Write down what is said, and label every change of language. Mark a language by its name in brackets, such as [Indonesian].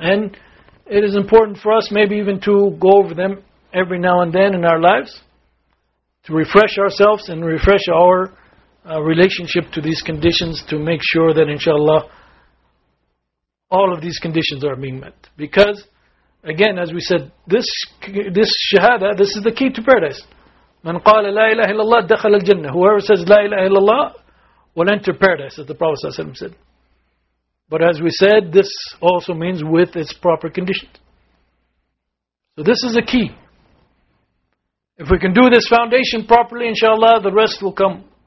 [English] And it is important for us maybe even to go over them every now and then in our lives, to refresh ourselves and refresh our relationship to these conditions, to make sure that, inshallah, all of these conditions are being met. Because, again, as we said, this shahada, this is the key to paradise. [Arabic] من قال لا إله إلا الله دخل الجنة. [English] Whoever says [Arabic] لا إله إلا الله [English] will enter paradise, as the Prophet ﷺ said. But as we said, this also means with its proper conditions. So this is a key. If we can do this foundation properly, inshallah, the rest will come.